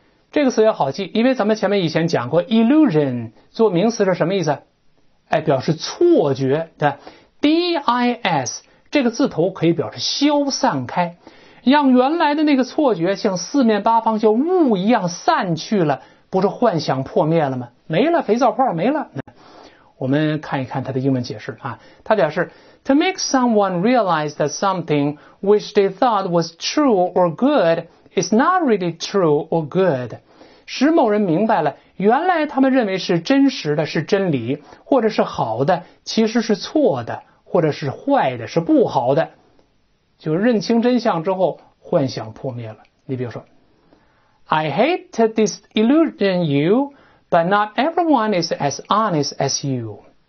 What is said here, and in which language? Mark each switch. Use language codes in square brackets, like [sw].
[zh] 这个词也好记，因为咱们前面以前讲过，illusion 做名词是什么意思？哎，表示错觉，对，dis 这个字头可以表示消散开，让原来的那个错觉像四面八方像雾一样散去了，不是幻想破灭了吗？没了，肥皂泡没了。我们看一看它的英文解释啊，它表示 [en] to make someone realize that something which they thought was true or good is not really true or good。 [zh] 使某人明白了，原来他们认为是真实的，是真理，或者是好的，其实是错的，或者是坏的，是不好的。就认清真相之后，幻想破灭了。你比如说， [en] I hate to disillusion you, but not everyone is as honest as you.